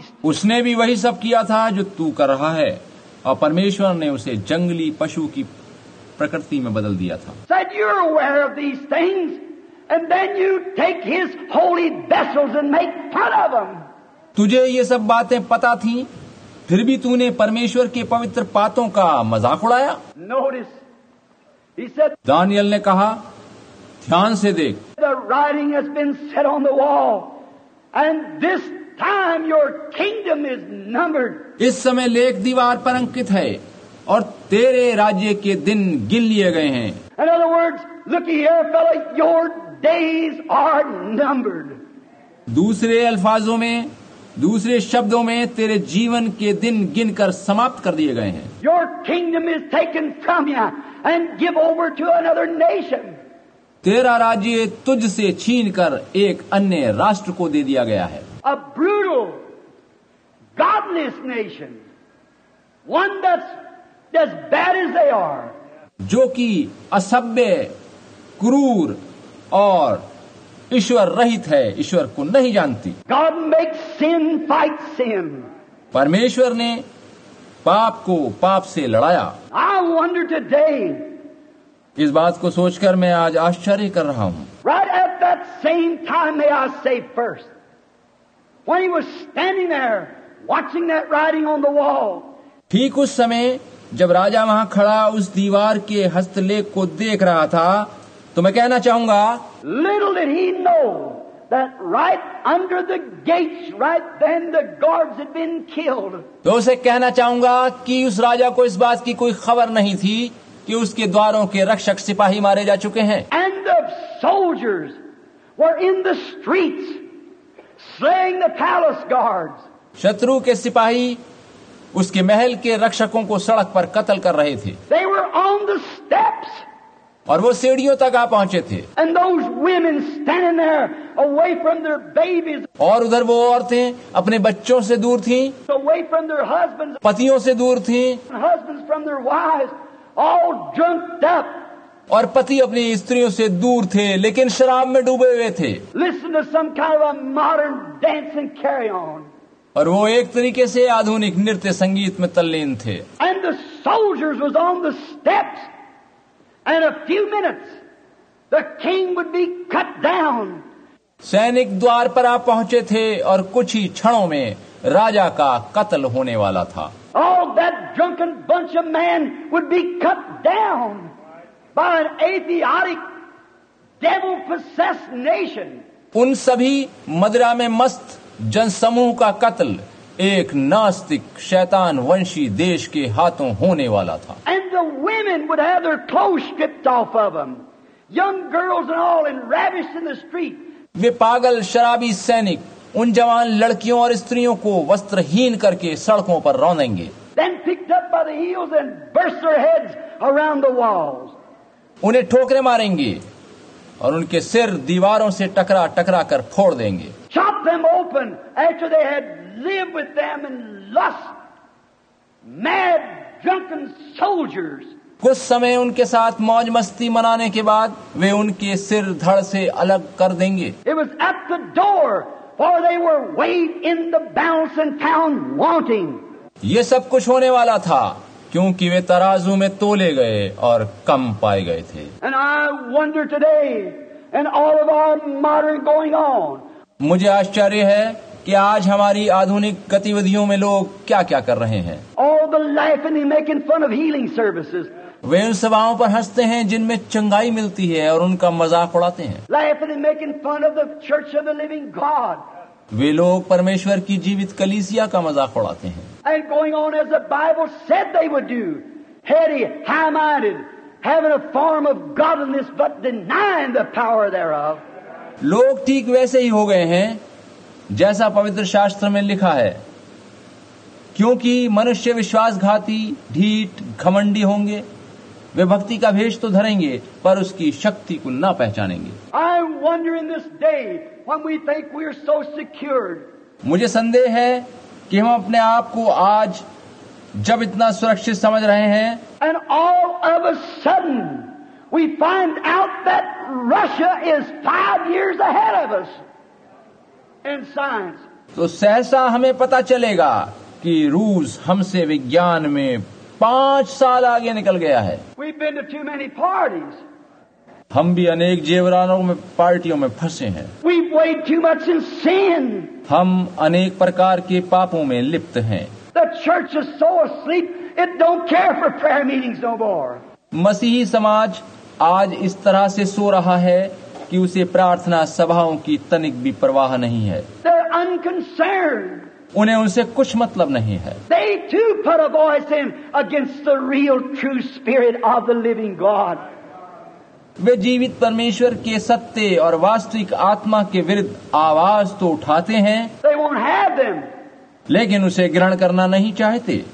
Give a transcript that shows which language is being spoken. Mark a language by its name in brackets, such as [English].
[Hindi] उसने भी वही सब किया था जो तू कर रहा है, और परमेश्वर ने उसे जंगली पशु की प्रकृति में बदल दिया था। [English] Said you're aware of these things, and then you take his holy vessels and make fun of them. [Hindi] तुझे ये सब बातें पता थी, फिर भी तूने परमेश्वर के पवित्र पात्रों का मजाक उड़ाया। [English] Notice, he said, [Hindi] दानियल ने कहा, ध्यान से देख। [English] The writing has been set on the wall, and this time your kingdom is numbered. [Hindi] इस समय लेख दीवार पर अंकित है, और तेरे राज्य के दिन गिन लिए गए हैं। [English] In other words, look here, fellow, your days are numbered. [Hindi] दूसरे अल्फाजों में, दूसरे शब्दों में, तेरे जीवन के दिन गिनकर समाप्त कर दिए गए हैं। [English] Your kingdom is taken from you and give over to another nation. [Hindi] तेरा राज्य तुझ से छीन कर एक अन्य राष्ट्र को दे दिया गया है। [English] A brutal, godless nation, one that's as bad as they are. [Hindi] जो कि असभ्य, क्रूर और ईश्वर रहित है, ईश्वर को नहीं जानती। [English] God makes sin fight sin. [Hindi] परमेश्वर ने पाप को पाप से लड़ाया। [English] I wonder today. [Hindi] इस बात को सोचकर मैं आज आश्चर्य कर रहा हूँ। [English] Right at that same time, may I say first, when he was standing there watching that writing on the wall. [Hindi] ठीक उस समय जब राजा वहाँ खड़ा उस दीवार के हस्तलेख को देख रहा था, तो मैं कहना चाहूंगा, [English] Little did he know that right under the gates, right then the guards had been killed. [Hindi] तो उसे कहना चाहूंगा कि उस राजा को इस बात की कोई खबर नहीं थी कि उसके द्वारों के रक्षक सिपाही मारे जा चुके हैं। [English] And the soldiers were in the streets slaying the palace guards. [Hindi] शत्रु के सिपाही उसके महल के रक्षकों को सड़क पर कत्ल कर रहे थे। [English] They were on the steps. [Hindi] और वो सीढ़ियों तक आ पहुंचे थे। [English] And those women standing there away from their babies. [Hindi] और उधर वो औरतें अपने बच्चों से दूर थीं। [English] Away from their husbands. [Hindi] पतियों से दूर थीं। [English] Husbands from their wives, all drunked up. [Hindi] और पति अपनी स्त्रियों से दूर थे, लेकिन शराब में डूबे हुए थे। [English] Listen to some kind of a modern dance and carry on. [Hindi] और वो एक तरीके से आधुनिक नृत्य संगीत में तल्लीन थे। [English] And the soldiers was on the steps. And a few minutes, the king would be cut down. [Hindi] सैनिक द्वार पर आ पहुंचे थे और कुछ ही क्षणों में राजा का कत्ल होने वाला था। [English] All that drunken bunch of men would be cut down by an atheistic, devil-possessed nation. [Hindi] उन सभी मदिरा में मस्त जनसमूह का कत्ल एक नास्तिक शैतान वंशी देश के हाथों होने वाला था। [English] And the women would have their clothes stripped off of them, young girls and all, and ravished in the street. [Hindi] वे पागल शराबी सैनिक उन जवान लड़कियों और स्त्रियों को वस्त्रहीन करके सड़कों पर रौंदेंगे। [English] Then picked up by the heels and burst their heads around the walls. [Hindi] उन्हें ठोकरें मारेंगे और उनके सिर दीवारों से टकरा टकरा कर फोड़ देंगे। [English] Chop them open after they had lived with them in lust, mad, drunken soldiers. [Hindi] कुछ समय उनके साथ मौज मस्ती मनाने के बाद वे उनके सिर धड़ से अलग कर देंगे। [English] It was at the door, for they were weighed in the balance and found wanting. [Hindi] ये सब कुछ होने वाला था क्योंकि वे तराजू में तोले गए और कम पाए गए थे। [English] And I wonder today, and all of our modern going on. [Hindi] मुझे आश्चर्य है कि आज हमारी आधुनिक गतिविधियों में लोग क्या क्या कर रहे हैं। [English] All the life and they make in fun of healing services. [Hindi] वे उन सभाओं पर हंसते हैं जिनमें चंगाई मिलती है और उनका मजाक उड़ाते हैं। [English] Life and they make in fun of the church of the living God. [Hindi] वे लोग परमेश्वर की जीवित कलीसिया का मजाक उड़ाते हैं। [English] And going on as the Bible said they would do, heady, high-minded, having a form of godliness but denying the power thereof. [Hindi] लोग ठीक वैसे ही हो गए हैं जैसा पवित्र शास्त्र में लिखा है, क्योंकि मनुष्य विश्वासघाती, ढीठ, घमंडी होंगे। वे भक्ति का भेष तो धरेंगे पर उसकी शक्ति को ना पहचानेंगे। [English] I wonder in this day when we think we are so secured. [Hindi] मुझे संदेह है कि हम अपने आप को आज जब इतना सुरक्षित समझ रहे हैं [English] and all of a sudden we find out that Russia is 5 years ahead of us in science. [Hindi] तो सहसा हमें पता चलेगा कि रूस हमसे विज्ञान में 5 साल आगे निकल गया है. [English] We've been to too many parties. [Hindi] हम भी अनेक जेवरानों में पार्टियों में फंसे हैं. [English] We've weighed too much in sin. [Hindi] हम अनेक प्रकार के पापों में लिप्त हैं. [English] The church is so asleep, it don't care for prayer meetings no more. [Hindi] मसीही समाज आज इस तरह से सो रहा है कि उसे प्रार्थना सभाओं की तनिक भी परवाह नहीं है. [English] They're unconcerned. [Hindi] उन्हें उनसे कुछ मतलब नहीं है. [English] They too put a voice in against the real true spirit of the living God. [Hindi] वे जीवित परमेश्वर के सत्य और वास्तविक आत्मा के विरुद्ध आवाज तो उठाते हैं. [English] They won't have them. [Hindi] लेकिन उसे ग्रहण करना नहीं चाहते.